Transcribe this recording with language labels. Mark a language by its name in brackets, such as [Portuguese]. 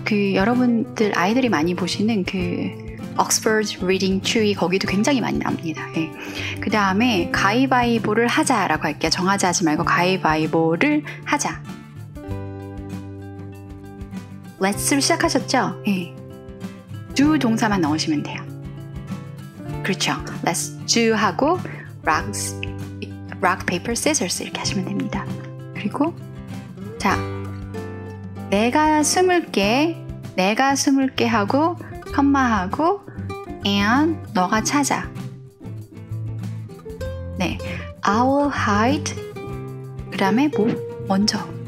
[Korean] 그 여러분들 아이들이 많이 보시는 그 Oxford Reading Tree 거기도 굉장히 많이 나옵니다. 네. 그 다음에 가위바위보를 하자라고 할게요. 정하자 하지 말고 가위바위보를 하자. Let's로 시작하셨죠? 네. Do 동사만 넣으시면 돼요. 그렇죠. [English] Let's do [Korean] 하고 [English] rock, paper, scissors [Korean] 이렇게 하시면 됩니다. 그리고 자 내가 숨을게 하고 컴마하고 and 너가 찾아. 네, [English] I'll hide. [Korean] 그 다음에 뭐? 먼저.